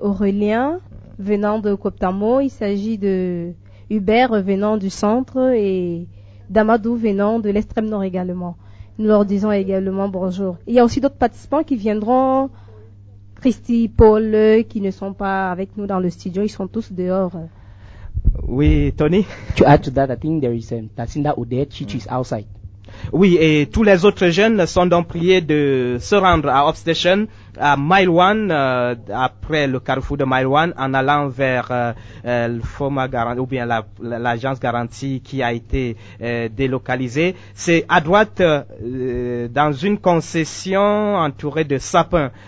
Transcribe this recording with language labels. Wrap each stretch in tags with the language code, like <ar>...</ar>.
<fr>Aurélien venant de Kouoktamo, il s'agit de Hubert venant du centre et Damadou venant de l'extrême nord également. Nous leur disons également bonjour. Il y a aussi d'autres participants qui viendront, Christy, Paul, qui ne sont pas avec nous dans le studio, ils sont tous dehors. Oui, Tony.</fr> <en>To add to that, I think there is Tassinda Odette, she is outside.</en> <fr>Oui, et tous les autres jeunes sont donc priés de se rendre à Upstation, à Mile One, après le carrefour de Mile One, en allant vers le FOMA garantie, ou bien l'agence garantie qui a été délocalisée. C'est à droite, dans une concession entourée de sapins.</fr>